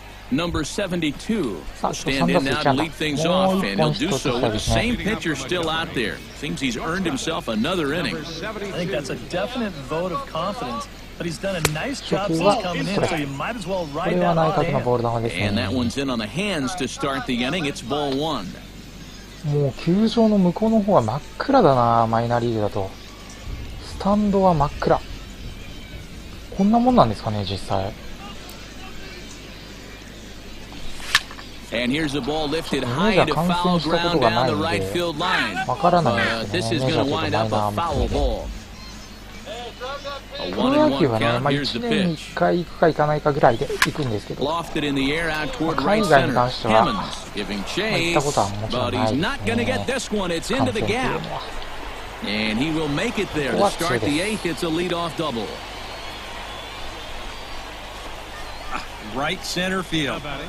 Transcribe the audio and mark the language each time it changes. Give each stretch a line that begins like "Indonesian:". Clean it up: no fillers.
English: Number 72, stand in now to lead things off, and he'll do so with the same pitcher still out there. Seems he's earned himself another inning. I think that's a definite vote of confidence, but he's done a nice job since coming in, so you might as well ride that on hand. And that one's in on the hands to start the inning. It's ball one.
Japanese: もう球場の向こうの方は真っ暗だな、マイナーリーグだと。スタンドは真っ暗。こんなもんなんですかね、実際。
English: And here's a ball lifted high to foul ground down the right field line. This is going to wind up a foul ball. A 1-1 count. Here's the pitch.
Japanese: 1回行くか行かないかぐらいで行くんですけど。
English: Lofted in the air out toward right center. Hammonds giving chase. But he's not going to get this one. It's into the gap. And he will make it there to start the eighth. It's a leadoff double. Right center field.